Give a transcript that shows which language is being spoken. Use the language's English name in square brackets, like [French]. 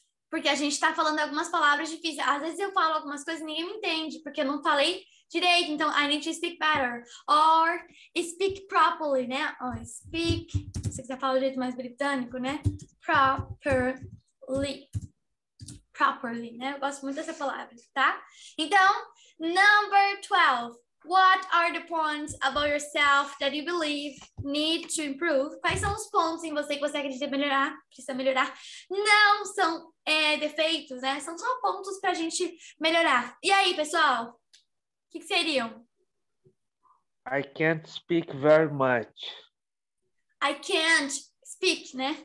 [Portuguese] Porque a gente tá falando algumas palavras difíceis. Às vezes eu falo algumas coisas e ninguém me entende, porque eu não falei direito. [English] Então, I need to speak better. Or speak properly, né? [Portuguese] Ou [English] speak... [Portuguese] Se você quiser falar do jeito mais britânico, né? [English] Properly. Properly, [Portuguese] né? Eu gosto muito dessa palavra, tá? Então, [English] number 12. What are the points about yourself that you believe need to improve? [Portuguese] Quais são os pontos em você que você acredita melhorar, precisa melhorar? Não são defeitos, né? São só pontos pra gente melhorar. E aí, pessoal? O que seriam? [English] I can't speak very much. I can't speak, né?